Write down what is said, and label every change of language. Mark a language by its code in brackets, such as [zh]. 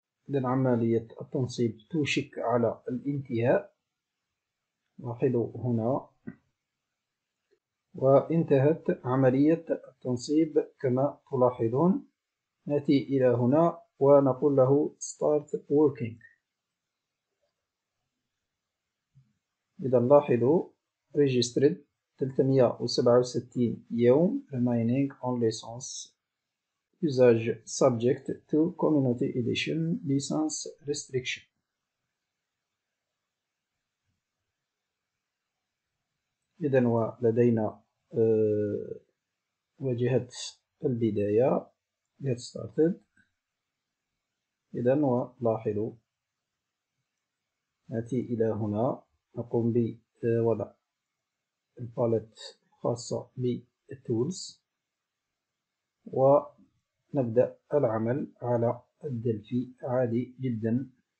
[ar] إذن عملية التنصيب توشك على الانتهاء. لاحظوا هنا وانتهت عملية التنصيب كما تلاحظون. نأتي إلى هنا ونقول له [en] Start Working. [ar] إذا لاحظوا [en] Registered 367 يوم Remaining on License. Usage subject to community edition license restriction. [ar] إذا ولدينا واجهة البداية [en] get started. [ar] إذا ولاحظوا نأتي إلى هنا نقوم بوضع الباليت الخاصة بالتولز و نبدأ العمل على الدلفي عادي جدا.